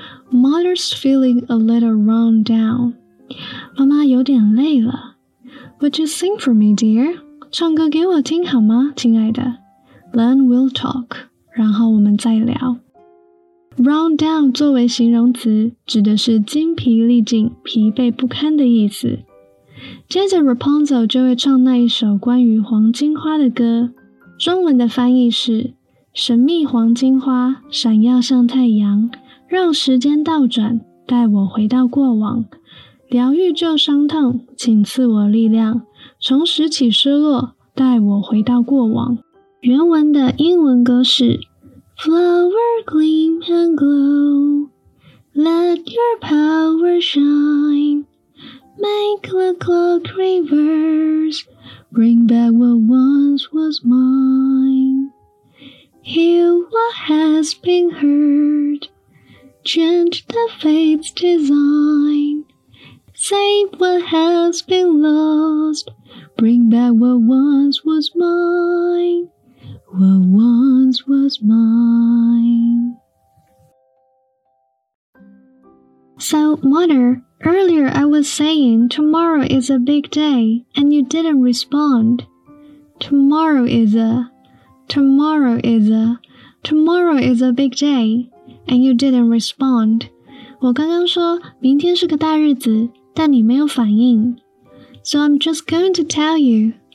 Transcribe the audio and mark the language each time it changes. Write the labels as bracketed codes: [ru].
[en] Mother's feeling a little run down. [zh] 妈妈有点累了。 [en] Would you sing for me, dear? [zh] 唱歌给我听好吗，亲爱的。 [en] Then we'll talk. [zh] 然后我们再聊。 Run down 作为形容词指的是精疲力尽、疲惫不堪的意思。接着 Rapunzel 就会唱那一首关于黄金花的歌，中文的翻译是神秘黄金花闪耀像太阳，让时间倒转，带我回到过往，疗愈旧伤痛，请赐我力量，重拾起失落，带我回到过往。原文的英文歌是 [en] Flower gleam and glow, let your power shineMake the clock reverse, bring back what once was mine. Heal what has been hurt, change the fate's design. Save what has been lost, bring back what once was mine. What once was mine. So, Mother,Earlier, I was saying tomorrow is a big day, and you didn't respond. Tomorrow is a big day, and you didn't respond. [zh] 我刚刚说明天是个大日子，但你没有反应。 [en] So I'm just going to tell you.